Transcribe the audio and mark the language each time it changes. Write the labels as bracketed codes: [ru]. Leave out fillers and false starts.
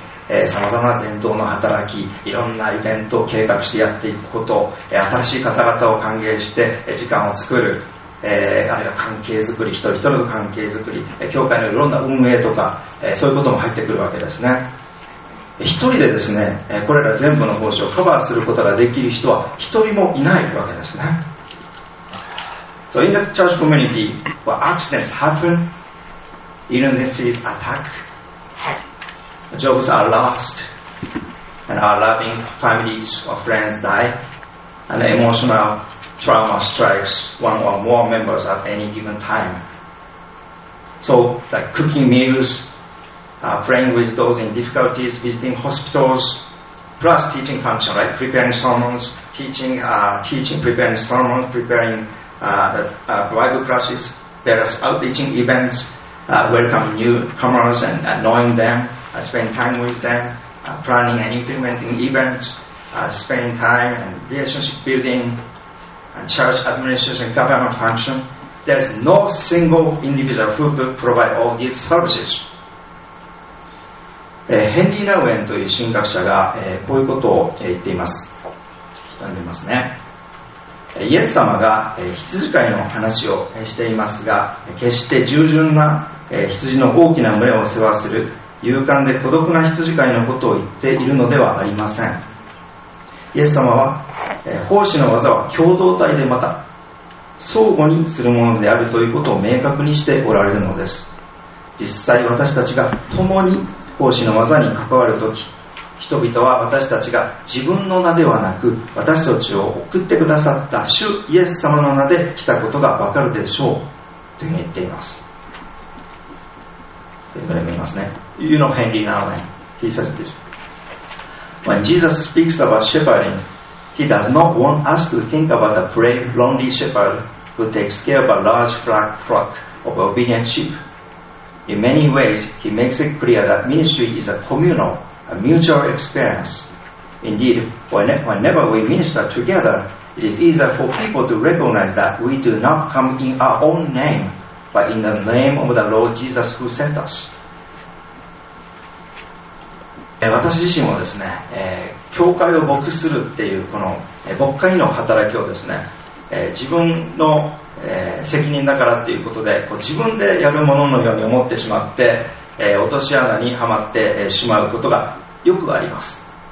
[ja] 備、さまざまな伝統の働き、いろんなイベントを計画してやっていくこと、新しい方々を歓迎して、時間を作る、あるいは関係づくり、一人一人の関係づくり、教会のいろんな運営とか、そういうことも入ってくるわけですね。一人でですね、これら全部の奉仕をカバーすることができる人は一人もいないわけですね。 [en] So in the church community, where accidents happen, illnesses attack, jobs are lost, and our loving families or friends die, and emotional trauma strikes one or more members at any given time. So, like cooking meals, praying with those in difficulties, visiting hospitals, plus teaching function, right? Preparing sermons, teaching, preparing sermons, preparing. Bible classes, various outreaching events, welcoming newcomers and knowing them, spending time with them, planning and implementing events, spending time and relationship building, and church administration, government function. There's no single individual who could provide all these services. [ja] ヘンリー・ナウエンという神学者が、こういうことを、言っています。ちょっと読みますね。イエス様が羊飼いの話をしていますが、決して従順な羊の大きな群れを世話する勇敢で孤独な羊飼いのことを言っているのではありません。イエス様は奉仕の技は共同体でまた相互にするものであるということを明確にしておられるのです。実際私たちが共に奉仕の技に関わるとき、人々は私たちが自分の名ではなく私たちを送ってくださった主イエス様の名で来たことがわかるでしょうというふうに言っています。というふうに見ますね。 [en] You know Henry Nouwen. He says this. When Jesus speaks about shepherding, he does not want us to think about a brave, lonely shepherd who takes care of a large black flock of obedient sheep. In many ways, he makes it clear that ministry is a communalA mutual experience. Indeed, whenever we minister together, it is easier for people to recognize that we do not come in our own name, but in the name of the Lord Jesus who sent us. [ja] 私自身もですね、教会を牧するっていうこの牧会の働きをですね、自分の責任だからっていうことで、こう自分でやるもののように思ってしまって。落とし穴にはまってしまうことがよくあります。